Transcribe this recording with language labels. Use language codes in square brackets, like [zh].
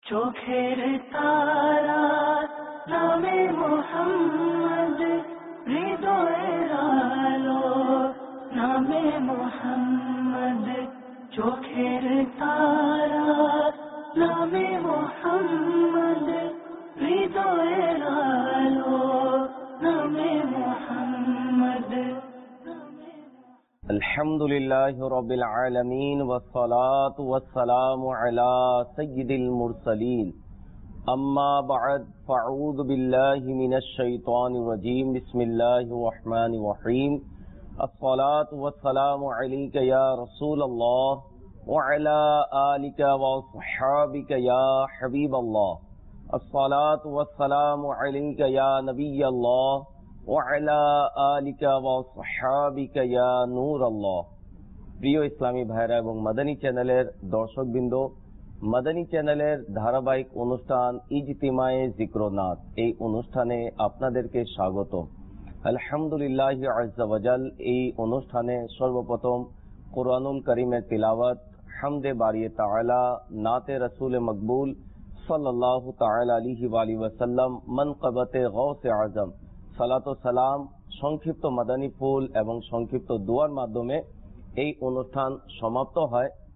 [bn] চোখের তারা নামে মোহাম্মদ, হৃদয়ের আলো নামে মোহাম্মদ, চোখের তারা নামে মোহাম্মদ, হৃদয়ের আলো নামে মোহাম্মদ। [ar] الحمد لله رب العالمين والصلاة والسلام على سيد المرسلين أما بعد فأعوذ بالله من الشيطان الرجيم بسم الله الرحمن الرحيم الصلاة والسلام عليك يا رسول الله وعلى آلك وصحابك يا حبيب الله الصلاة والسلام عليك يا نبي الله وعلى آلك وصحابك يا نور الله। [bn] প্রিয় ইসলামী ভাইরা এবং মাদানী চ্যানেলের দর্শকবৃন্দ, মাদানী চ্যানেলের ধারাবাহিক অনুষ্ঠান ইজতিমায়ে যিকরনাথ এই অনুষ্ঠানে আপনাদেরকে স্বাগত। আলহামদুলিল্লাহ আজ্জা ওয়াজাল, এই অনুষ্ঠানে সর্বপ্রথম কুরআনুল করিমের তিলাওয়াত, হামদে বারিয়ে তাআলা, নাতে রাসূল মকবুল সাল্লাল্লাহু তাআলা আলাইহি ওয়া আলিহি ওয়াসাল্লাম, মানকাবাতে গাউসে আযম সালাতু সালাম, সংক্ষিপ্ত মাদানী ফুল এবং সংক্ষিপ্ত দোয়ার মাধ্যমে এই অনুষ্ঠান সমাপ্ত হয়।